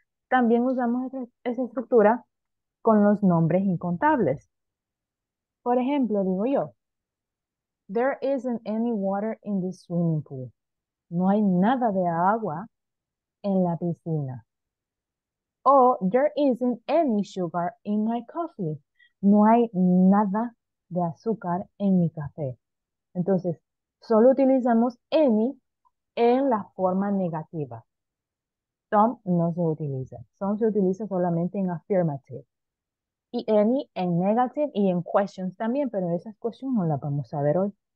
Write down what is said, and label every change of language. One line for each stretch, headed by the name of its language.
Spanish: También usamos esa estructura con los nombres incontables. Por ejemplo, digo yo,
English: there isn't any water in the swimming pool.
Spanish: No hay nada de agua en la piscina. O,
English: there isn't any sugar in my coffee.
Spanish: No hay nada de azúcar en mi café. Entonces, solo utilizamos any en la forma negativa. Some no se utiliza. Some se utiliza solamente en affirmative. Y any en negative y en questions también, pero esas questions no las vamos a ver hoy.